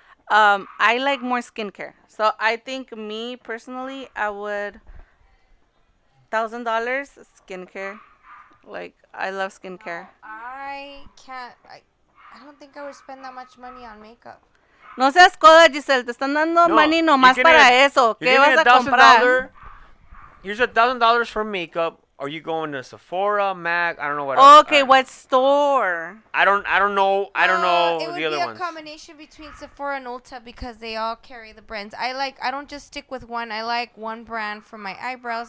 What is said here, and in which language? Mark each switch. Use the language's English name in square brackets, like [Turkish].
[English] I like more skincare. So I think me personally, I would $1,000 skincare. Like, I love skincare. I don't think I would spend that much money on makeup. [Spanish] No seas coda, Giselle. Te están dando money nomás para eso. ¿Qué vas a comprar? [English] Here's $1,000 for makeup. Are you going to Sephora, MAC? I don't know what. Okay, what store? I don't know. I don't know the other ones. It would be a combination between Sephora and Ulta because they all carry the brands. I don't just stick with one. I like one brand for my eyebrows.